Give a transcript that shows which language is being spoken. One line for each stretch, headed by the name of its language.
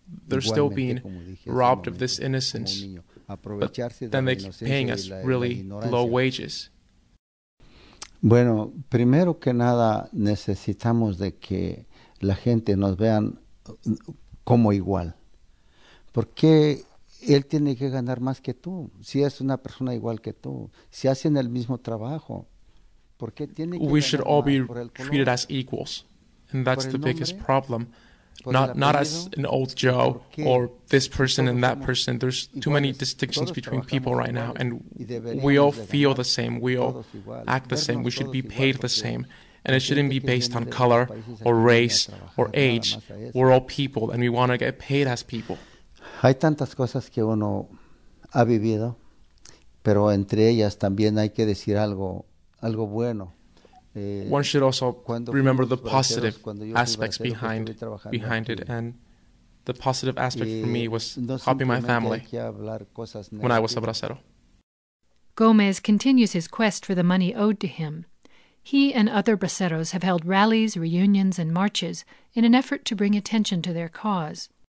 English: They're still being robbed of this innocence, but then they keep paying us really low wages.
Spanish: Bueno, primero que nada necesitamos de que la gente nos vean como igual. ¿Por qué él tiene que ganar más que tú? Si es una persona igual que tú, si hacen el mismo trabajo, ¿por qué tiene que
English: We should all be treated as equals, and that's the biggest problem. Not as an old Joe or this person and that person. There's too many distinctions between people right now, and we all feel the same. We all act the same. We should be paid the same, and it shouldn't be based on color or race or age. We're all people, and we want to get paid as people.
Spanish: Hay tantas cosas que uno ha vivido, pero entre ellas también hay que decir algo bueno.
English: One should also remember the positive aspects behind it, and the positive aspect for me was helping my family when I was a bracero. Gomez continues his quest for the money owed to him. He and other braceros have held rallies, reunions, and marches in an effort to bring attention to their cause.